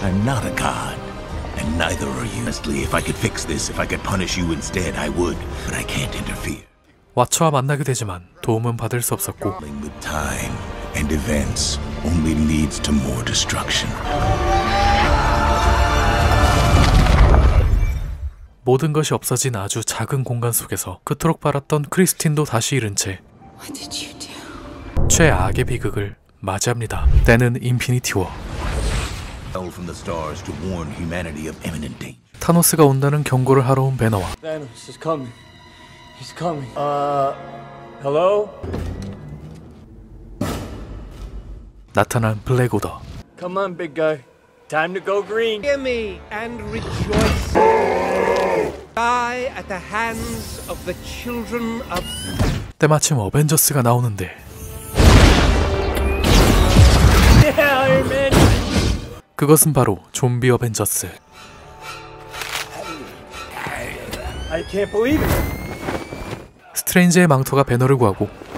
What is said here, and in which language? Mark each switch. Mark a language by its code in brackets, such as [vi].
[en] I'm not a god, and neither are you. Honestly, if I could fix this, if I could punish you instead, I would. But I can't interfere. [ko] 왓츠와 만나게 되지만 도움은 받을 수 없었고 [en] Coming with time and events only leads to more destruction. [ko] 모든 것이 없어진 아주 작은 공간 속에서 그토록 빨았던 크리스틴도 다시 잃은 채 [en] What did you do? [ko] 최악의 비극을 맞이합니다. 때는 인피니티 워. [en] Fell from the stars to warn humanity of imminent danger. [ko] 타노스가 온다는 경고를 하러 온 배너와 [en] Thanos is coming. He's coming. Hello? [ko] 나타난 블랙 오더. [en] Come on, big guy. Time to go green. Hear me and rejoice. Die at the hands of the children of. [ko] 때마침 어벤져스가 나오는데. [en] Yeah, Iron Man. [ko] 그것은 바로 좀비 어벤져스. [en] I can't believe it. [ko] 스트레인지의 망토가 배너를 구하고.